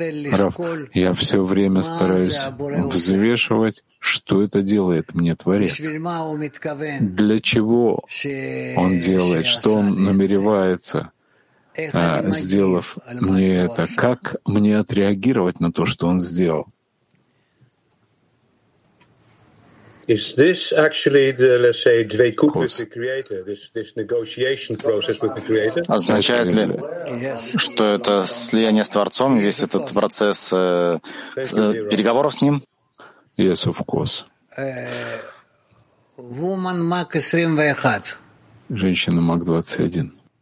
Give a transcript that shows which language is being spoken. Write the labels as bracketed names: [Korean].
[Russian] Рав, я все время стараюсь взвешивать, что это делает мне Творец. Для чего он делает, что он намеревается, сделав мне это, как мне отреагировать на то, что он сделал? [English] Is this actually the, let's say, dveikut with the creator, this negotiation process with the creator? [Russian] Означает ли, что это слияние с Творцом, весь этот процесс переговоров с ним? [English] Yes, of course. Woman Mac 21. [Russian] Женщина Mac 21.